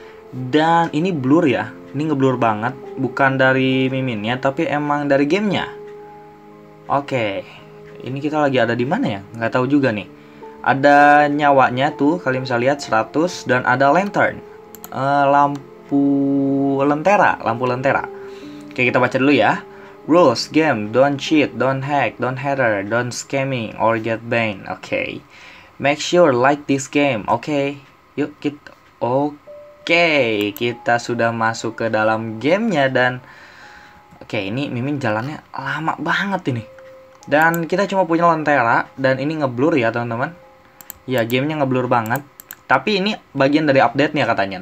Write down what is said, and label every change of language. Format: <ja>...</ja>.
<id>Dan ini blur ya. Ini ngeblur banget, bukan dari miminnya, tapi emang dari gamenya. Oke, ini kita lagi ada di mana ya? Nggak tahu juga nih. Ada nyawanya tuh, kalian bisa lihat 100, dan ada lantern, lampu lentera. Oke, kita baca dulu ya.</id> <en>Rules game: don't cheat, don't hack, don't hater, don't scamming or get banned. Oke. Make sure like this game. Oke.</en> <id>Yuk kita. Oke, kita sudah masuk ke dalam gamenya dan Oke, ini Mimin jalannya lama banget ini. Dan kita cuma punya lentera dan ini ngeblur ya teman-teman. Ya, gamenya ngeblur banget. Tapi ini bagian dari update-nya katanya.</id>